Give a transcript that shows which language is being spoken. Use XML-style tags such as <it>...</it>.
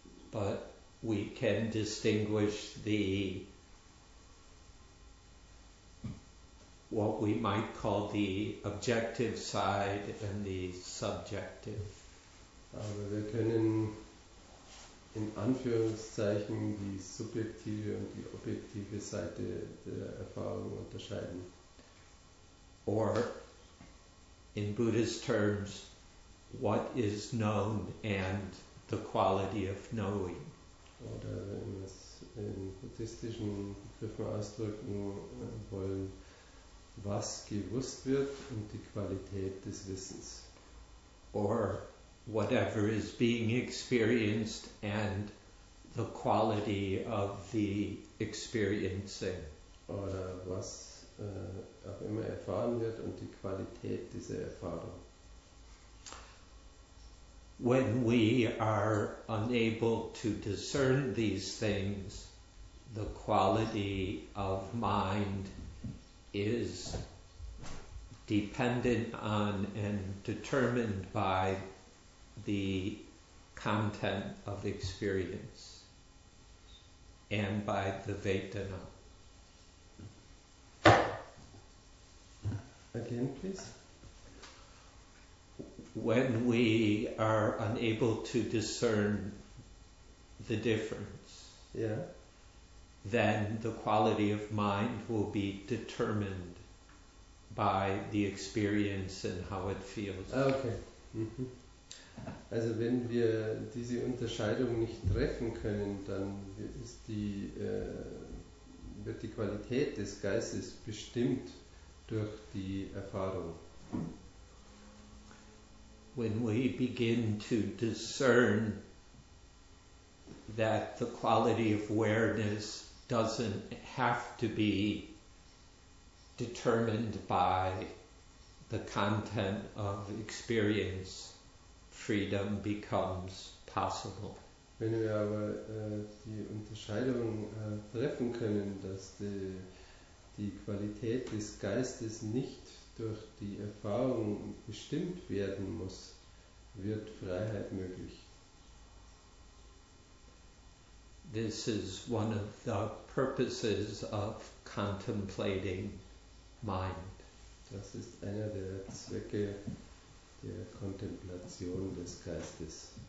<en>But we can distinguish the what we might call the objective side and the subjective.</en> <de>Aber wir können in Anführungszeichen die subjektive und die objektive Seite der Erfahrung unterscheiden.</de> <en>Or, in Buddhist terms, what is known and the quality of knowing.</en> <de>Oder wenn wir es in buddhistischen Begriffen ausdrücken wollen, was gewusst wird und die Qualität des Wissens.</de> <en>Or whatever is being experienced and the quality of the experiencing.</en> <de>Oder was auch immer erfahren wird und die Qualität dieser Erfahrung.</de> <en>When we are unable to discern these things, the quality of mind is dependent on and determined by the content of experience and by the Vedana. Again, please. when we are unable to discern the difference, yeah, then the quality of mind will be determined by the experience and how it feels. Okay.</en> <de>Also wenn wir diese Unterscheidung nicht treffen können, dann ist wird die Qualität des Geistes bestimmt durch die Erfahrung.</de> <en>When we begin to discern that the quality of awareness doesn't have to be determined by the content of experience, freedom becomes possible.</en> <de>Wenn wir aber die Unterscheidung treffen können, dass die Qualität des Geistes nicht durch die Erfahrung bestimmt werden muss, wird Freiheit möglich.</de> <en>This is one of the purposes of contemplating mind.</en> <de>Das ist einer der Zwecke der Kontemplation des Geistes.</de>